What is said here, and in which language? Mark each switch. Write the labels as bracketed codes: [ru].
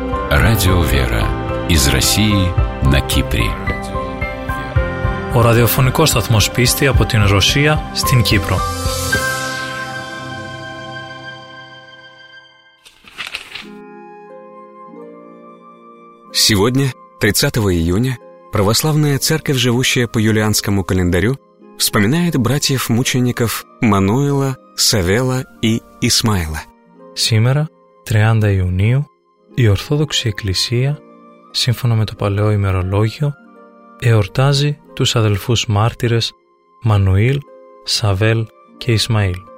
[ru] Радио «Вера» из России на Кипре. [el] Ο ραδιοφωνικός σταθμός πίστη από την Ρωσία στην Κύπρο. [ru] Сегодня, 30 июня, православная церковь, живущая по юлианскому календарю, вспоминает братьев-мучеников Мануила, Савела и Исмаила. Сегодня, 30 июня, [el] η Ορθόδοξη Εκκλησία, σύμφωνα με το παλαιό ημερολόγιο, εορτάζει τους αδελφούς μάρτυρες Μανουήλ, Σαβέλ και Ισμαήλ.